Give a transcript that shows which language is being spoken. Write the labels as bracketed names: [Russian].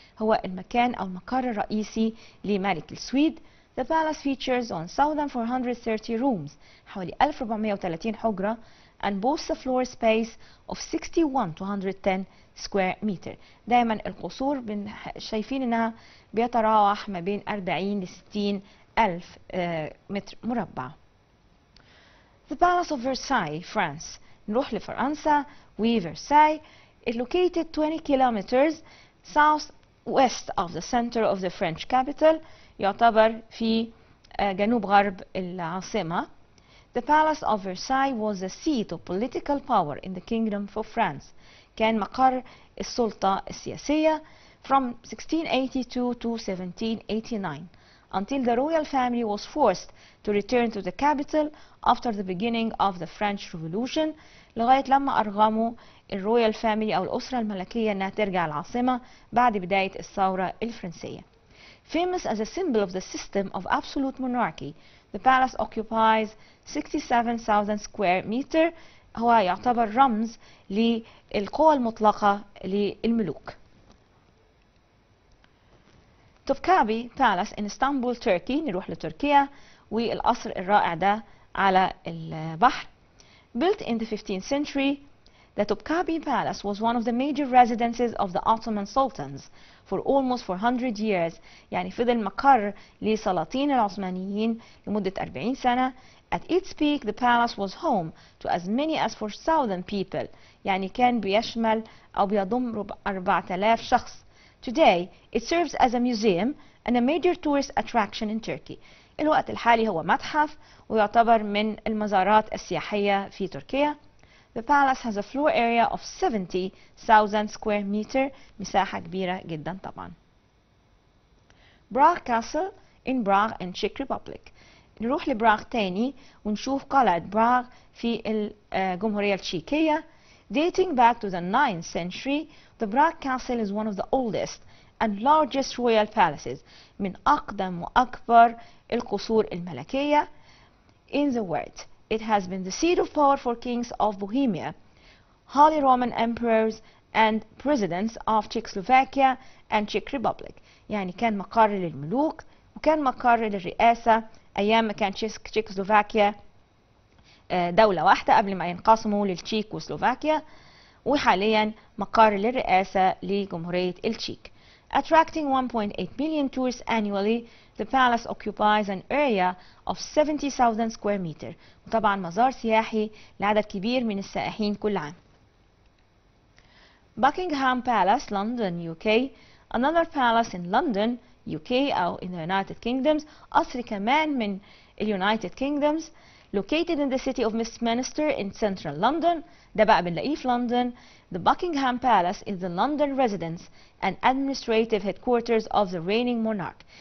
[Arabic] هو المكان أو المقر الرئيسي لملك السويد. [English] The palace features 1,430 rooms. [Arabic] حوالي 1430 حجرة. [English] And boasts a floor space of 61 to 110 square meter. [Arabic] دائما القصور شايفين انها بيتراوح ما بين 40 ل 60 ألف متر مربع. [English] The Palace of Versailles, France. [Arabic] نروح لفرنسا وفرسايل. [English] Located 20 kilometers southwest of the center of the French capital. [Arabic] يعتبر في جنوب غرب العاصمة. [English] The Palace of Versailles was the seat of political power in the Kingdom of France. [Arabic] كان مقر السلطة السياسية [English] from 1682 to 1789 until the royal family was forced to return to the capital after the beginning of the French Revolution. [Arabic] لغاية لما أرغموا الرويال فاميلي أو الأسرة الملكية أنها ترجع العاصمة بعد بداية الثورة الفرنسية. [English] Famous as a symbol of the system of absolute monarchy. The palace occupies 67,000 square meter. [Arabic] هو يعتبر رمز للقوة المطلقة للملوك. [English] Topkapi Palace in Istanbul, Turkey. [Arabic] نروح لتركيا. والقصر الرائع ده على البحر. [English] Built in the 15th century, the Topkapi Palace was one of the major residences of the Ottoman sultans for almost 400 years. [Arabic] يعني فضل مقر لسلاطين العثمانيين لمدة 40 سنة. [English] At its peak, the palace was home to as many as 4,000 people. [Arabic] يعني كان بيشمل أو بيضم 4,000 شخص. [English] Today, it serves as a museum and a major tourist attraction in Turkey. [Arabic] الوقت الحالي هو متحف ويعتبر من المزارات السياحية في تركيا. [English] The palace has a floor area of 70,000 square meter. [Arabic] مساحة كبيرة جدا طبعا. [English] Prague Castle in Prague in Czech Republic. [Arabic] نروح لبراغ تاني ونشوف قلعة براغ في الجمهورية التشيكية. [English] Dating back to the 9th century, the Prague Castle is one of the oldest and largest royal palaces. [Arabic] من أقدم وأكبر القصور الملكية [English] in the world. It has been the seat of power for kings of Bohemia, Holy Roman Emperors and presidents of Czechoslovakia and Czech Republic. [Arabic] يعني كان مقر للملوك وكان مقر للرئاسة أيام كان تشيكوسلوفاكيا دولة واحدة قبل ما ينقسموا للتشيك وسلوفاكيا، وحاليا مقر للرئاسة لجمهورية التشيك. [English] Attracting 1.8 million tourists annually, the palace occupies an area of 70,000 square meter. [Arabic] وطبعا مزار سياحي لعدد كبير من السائحين كل عام. [English] Buckingham Palace, London, UK. Another palace in London, UK أو in the United Kingdoms. [Arabic] قصر كمان من United Kingdoms. [English] Located in the city of Westminster in central London. [Arabic] ده بقى بنلاقيه في لندن. [English] The Buckingham Palace is the London residence and administrative headquarters of the reigning monarch.